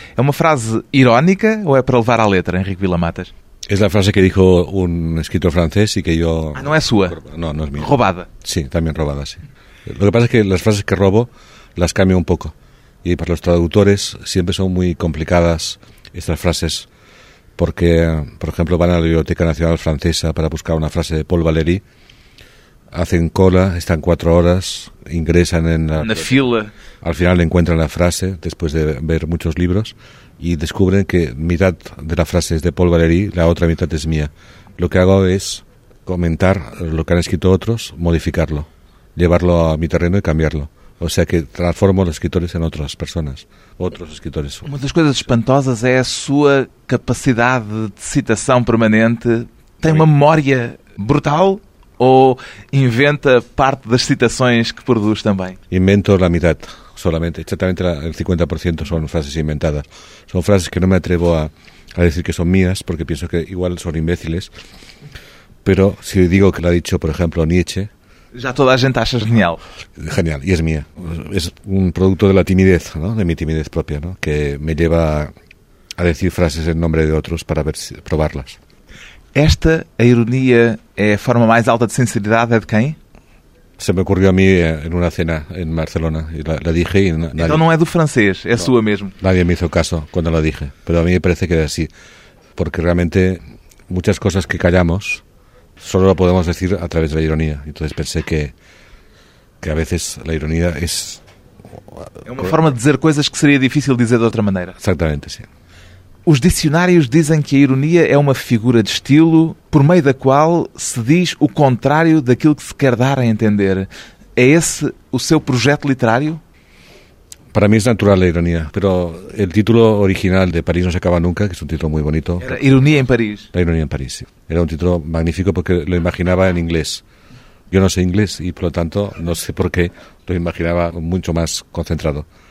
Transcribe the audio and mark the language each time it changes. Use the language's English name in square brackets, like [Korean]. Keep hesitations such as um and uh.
[Portuguese] É uma frase irónica ou é para levar à letra, Henrique Vilamatas? É a frase que disse um escritor francês e que eu. [Spanish] Yo... Ah, [Portuguese] não é sua? Não, não é minha. Roubada. Sim, sí, também roubada, sim. Sí. O que pasa é es que as frases que [Spanish] robo las cambio [Portuguese] um pouco. E para os tradutores sempre são muito complicadas estas frases. [Spanish] porque, por ejemplo, van a la Biblioteca Nacional Francesa para buscar una frase de Paul Valéry, hacen cola, están cuatro horas, ingresan en la... al final encuentran la frase, después de ver muchos libros, y descubren que mitad de la frase es de Paul Valéry, la otra mitad es mía. Lo que hago es comentar lo que han escrito otros, modificarlo, llevarlo a mi terreno y cambiarlo. [Portuguese] ou seja que transforma os escritores em outras pessoas, outros escritores. Uma das coisas espantosas é a sua capacidade de citação permanente. Tem uma memória brutal ou inventa parte das citações que produz também? [Spanish] Invento a metade. Solamente, exactamente la, el 50% [Portuguese] são frases inventadas. São frases que não me atrevo a, [Spanish] a decir [Portuguese] que são mías, porque penso que igual são imbéciles. [Spanish] Pero si digo que lo ha dicho, [Portuguese] por exemplo, [Spanish] Nietzsche, Ya toda la gente acha genial. Genial, y es mía. Es un producto de la timidez, ¿no? de mi timidez propia, ¿no? que me lleva a decir frases en nombre de otros para ver si probarlas. ¿Esta ironía es la forma más alta de sinceridad de quién? Se me ocurrió a mí en una cena en Barcelona la, la dije y nadie... Entonces no es del francés, es no, suya mismo. Nadie me hizo caso cuando la dije, pero a mí me parece que es así, porque realmente muchas cosas que callamos [Portuguese] só o podemos dizer através da ironia. Então pensei que, que a vezes a ironia [Spanish] es... [Portuguese] É... é uma forma de dizer coisas que seria difícil dizer de outra maneira. Exatamente, sim. Os dicionários dizem que a ironia é uma figura de estilo por meio da qual se diz o contrário daquilo que se quer dar a entender. É esse o seu projeto literário? [Spanish] Para mí es natural la ironía, pero el título original de París no se acaba nunca, que es un título muy bonito. Era ironía en París. La ironía en París, sí. Era un título magnífico porque lo imaginaba en inglés. Yo no sé inglés y por lo tanto no sé por qué lo imaginaba mucho más concentrado.